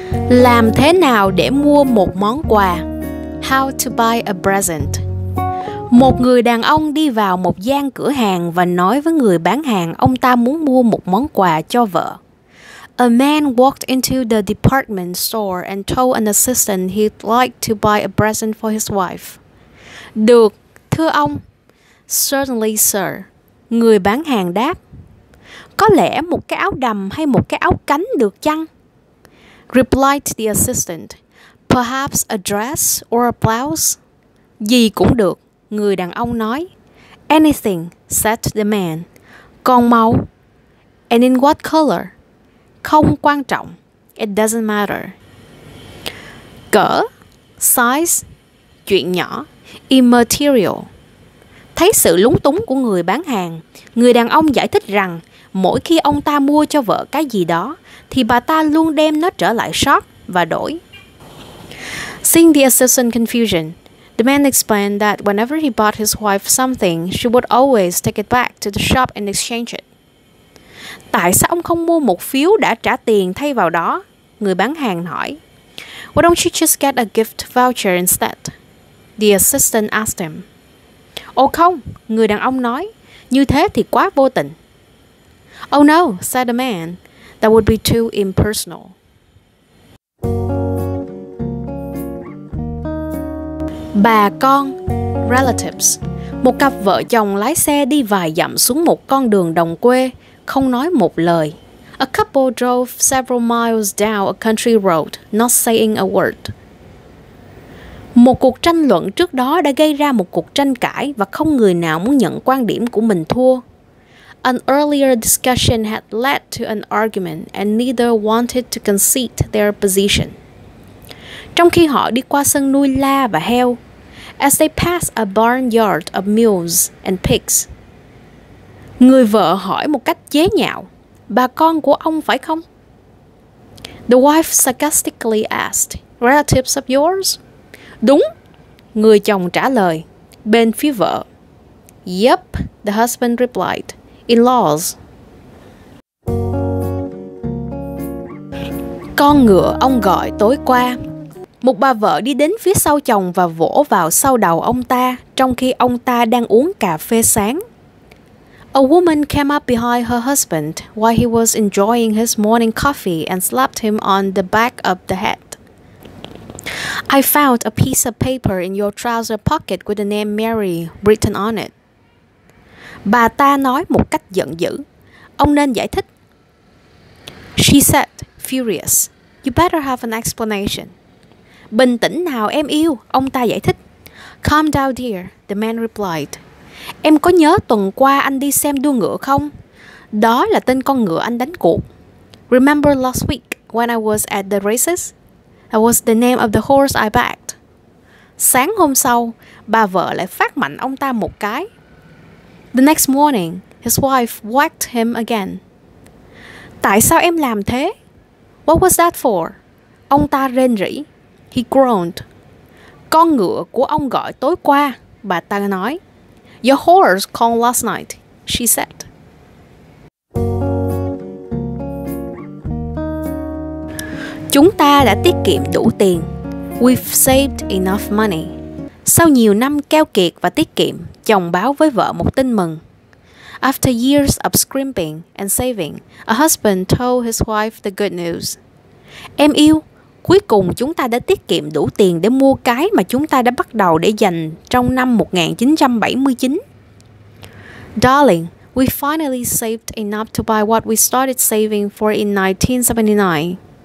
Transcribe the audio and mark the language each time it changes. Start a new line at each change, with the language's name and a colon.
Vietnamese: Làm thế nào để mua một món quà?
English: How to buy a present?
Vietnamese: Một người đàn ông đi vào một gian cửa hàng và nói với người bán hàng ông ta muốn mua một món quà cho vợ.
English: A man walked into the department store and told an assistant he'd like to buy a present for his wife.
Vietnamese: Được, thưa ông.
English: Certainly, sir.
Vietnamese: Người bán hàng đáp. Có lẽ một cái áo đầm hay một cái áo cánh được chăng?
English: Replied the assistant. Perhaps a dress or a blouse?
Vietnamese: Gì cũng được, người đàn ông nói.
English: Anything, said the man.
Vietnamese: Còn màu?
English: And in what color?
Vietnamese: Không quan trọng.
English: It doesn't matter.
Vietnamese: Cỡ,
English: size,
Vietnamese: chuyện nhỏ,
English: immaterial.
Vietnamese: Thấy sự lúng túng của người bán hàng, người đàn ông giải thích rằng mỗi khi ông ta mua cho vợ cái gì đó, thì bà ta luôn đem nó trở lại shop và đổi.
English: Seeing the assistant's confusion, the man explained that whenever he bought his wife something, she would always take it back to the shop and exchange it.
Vietnamese: Tại sao ông không mua một phiếu đã trả tiền thay vào đó? Người bán hàng hỏi.
English: Why don't you just get a gift voucher instead? The assistant asked him.
Vietnamese: Ồ không, người đàn ông nói. Như thế thì quá vô tình.
English: Oh no, said the man. That would be too impersonal.
Vietnamese: Bà con,
English: relatives.
Vietnamese: Một cặp vợ chồng lái xe đi vài dặm xuống một con đường đồng quê, không nói một lời.
English: A couple drove several miles down a country road, not saying a word.
Vietnamese: Một cuộc tranh luận trước đó đã gây ra một cuộc tranh cãi và không người nào muốn nhận quan điểm của mình thua.
English: An earlier discussion had led to an argument and neither wanted to concede their position.
Vietnamese: Trong khi họ đi qua sân nuôi la và heo,
English: as they passed a barnyard of mules and pigs,
Vietnamese: người vợ hỏi một cách chế nhạo, bà con của ông phải không?
English: The wife sarcastically asked, relatives of yours?
Vietnamese: Đúng, người chồng trả lời, bên phía vợ.
English: Yep, the husband replied, in-laws.
Vietnamese: Con ngựa ông gọi tối qua. Một bà vợ đi đến phía sau chồng và vỗ vào sau đầu ông ta trong khi ông ta đang uống cà phê sáng.
English: A woman came up behind her husband while he was enjoying his morning coffee and slapped him on the back of the head. I found a piece of paper in your trouser pocket with the name Mary written on it.
Vietnamese: Bà ta nói một cách giận dữ. Ông nên giải thích.
English: She said, furious. You better have an explanation.
Vietnamese: Bình tĩnh nào em yêu, ông ta giải thích.
English: Calm down, dear, the man replied.
Vietnamese: Em có nhớ tuần qua anh đi xem đua ngựa không? Đó là tên con ngựa anh đánh cuộc.
English: Remember last week when I was at the races? That was the name of the horse I backed.
Vietnamese: Sáng hôm sau, bà vợ lại phát mạnh ông ta một cái.
English: The next morning, his wife whacked him again.
Vietnamese: Tại sao em làm thế?
English: What was that for?
Vietnamese: Ông ta rên rỉ.
English: He groaned.
Vietnamese: Con ngựa của ông gọi tối qua, bà ta nói.
English: Your horse called last night, she said.
Vietnamese: Chúng ta đã tiết kiệm đủ tiền.
English: We've saved enough money.
Vietnamese: Sau nhiều năm keo kiệt và tiết kiệm, chồng báo với vợ một tin mừng.
English: After years of scrimping and saving, a husband told his wife the good news.
Vietnamese: Em yêu, cuối cùng chúng ta đã tiết kiệm đủ tiền để mua cái mà chúng ta đã bắt đầu để dành trong năm 1979.
English: Darling, we finally saved enough to buy what we started saving for in 1979.